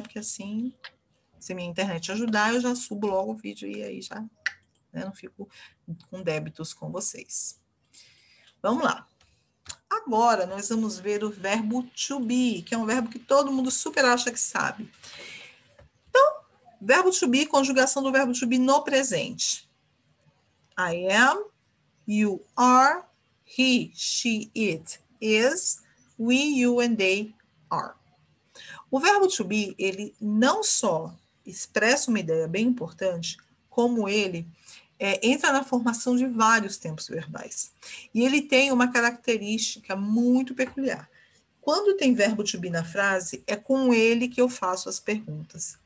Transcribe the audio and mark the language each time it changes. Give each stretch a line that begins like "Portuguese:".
Portuguese: Porque assim, se minha internet ajudar, eu já subo logo o vídeo e aí já, né, não fico com débitos com vocês. Vamos lá. Agora nós vamos ver o verbo to be, que é um verbo que todo mundo super acha que sabe. Verbo to be, conjugação do verbo to be no presente.
English: I am, you are, he, she, it, is, we, you and they are.
Portuguese: O verbo to be, ele não só expressa uma ideia bem importante, como ele entra na formação de vários tempos verbais. E ele tem uma característica muito peculiar. Quando tem verbo to be na frase, é com ele que eu faço as perguntas.